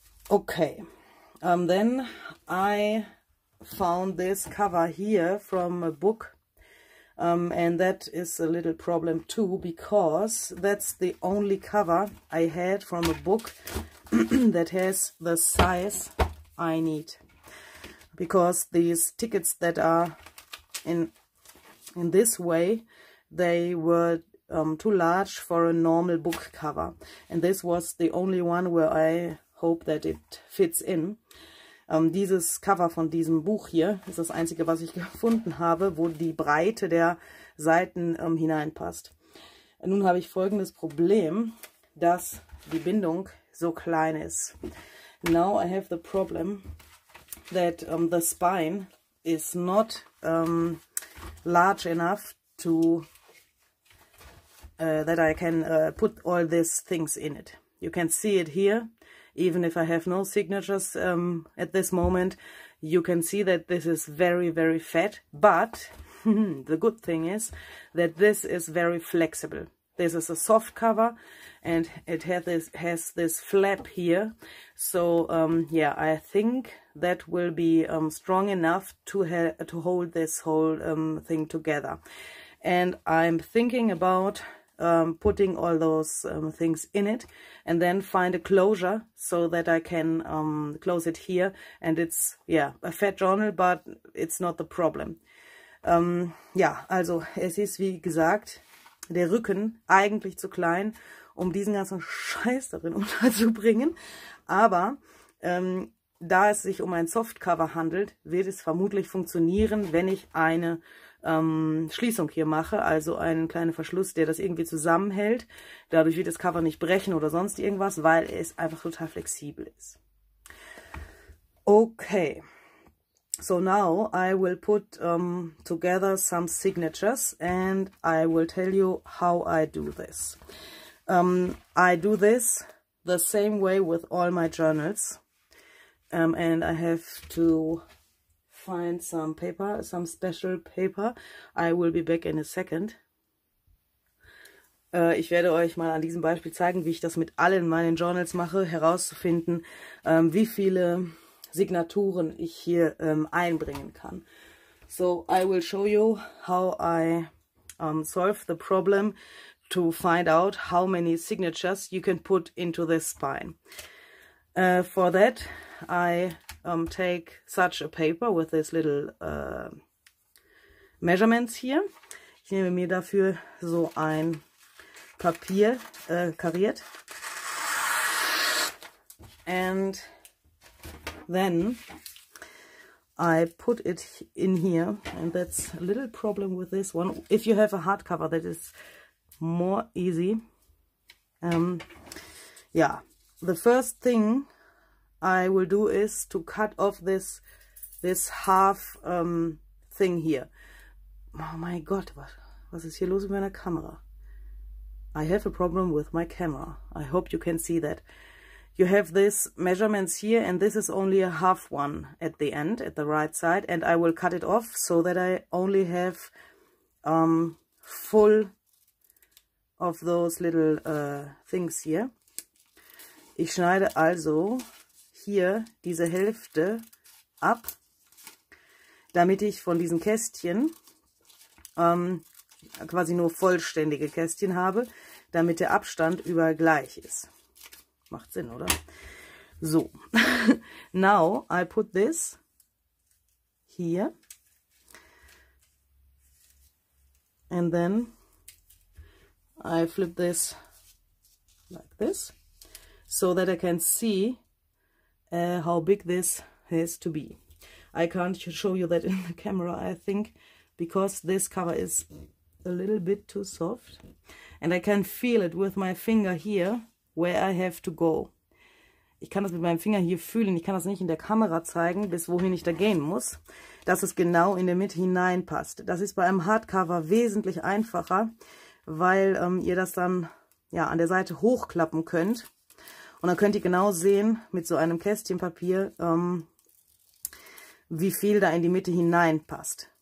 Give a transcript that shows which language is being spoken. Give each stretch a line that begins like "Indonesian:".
English: Okay, then I found this cover here from a book, and that is a little problem too, because that's the only cover I had from a book that has the size I need. Because these tickets that are in this way, they were too large for a normal book cover. And this was the only one where I hope that it fits in.
German: Dieses Cover von diesem Buch hier ist das einzige, was ich gefunden habe, wo die Breite der Seiten hineinpasst. Nun habe ich folgendes Problem, dass die Bindung so klein ist.
English: Now I have the problem that the spine is not large enough to that I can put all these things in it. You can see it here, even if I have no signatures at this moment, you can see that this is very, very fat, but the good thing is that this is very flexible. This is a soft cover and it has this flap here. So yeah, I think that will be strong enough to hold this whole thing together. And I'm thinking about putting all those things in it and then find a closure so that I can close it here. And it's, yeah, a fat journal, but it's not the problem.
German: Ja, also es ist, wie gesagt, der Rücken eigentlich zu klein, um diesen ganzen Scheiß darin unterzubringen. Aber da es sich um ein Softcover handelt, wird es vermutlich funktionieren, wenn ich eine Schließung hier mache, also einen kleinen Verschluss, der das irgendwie zusammenhält. Dadurch wird das Cover nicht brechen oder sonst irgendwas, weil es einfach total flexibel ist.
English: Okay, so now I will put together some signatures and I will tell you how I do this. I do this the same way with all my journals, and I have to find some paper, some special paper. I will be back in a second.
German: Ich werde euch mal an diesem Beispiel zeigen, wie ich das mit allen meinen Journals mache, herauszufinden, wie viele Signaturen ich hier einbringen kann.
English: So, I will show you how I solve the problem to find out how many signatures you can put into this spine. For that, I take such a paper with this little measurements here.
German: Ich nehme mir dafür so ein Papier kariert.
English: And then I put it in here, and that's a little problem with this one. If you have a hardcover, that is more easy. Yeah, the first thing I will do is to cut off this half thing here.
German: Oh my God, was ist hier los mit meiner Kamera?
English: I have a problem with my camera. I hope you can see that. You have this measurements here, and this is only a half one at the end, at the right side, and I will cut it off so that I only have full of those little things here.
German: Ich schneide also hier diese Hälfte ab, damit ich von diesen Kästchen quasi nur vollständige Kästchen habe, damit der Abstand überall gleich ist. Macht Sinn, oder?
English: So. Now I put this here. And then I flip this like this, so that I can see how big this has to be. I can't show you that in the camera, I think, because this cover is a little bit too soft. And I can feel it with my finger here, where I have to go.
German: Ich kann das mit meinem Finger hier fühlen. Ich kann das nicht in der Kamera zeigen, bis wohin ich da gehen muss, dass es genau in der Mitte hineinpasst. Das ist bei einem Hardcover wesentlich einfacher, weil ihr das dann ja an der Seite hochklappen könnt. Und dann könnt ihr genau sehen, mit so einem Kästchen Papier, wie viel da in die Mitte hineinpasst.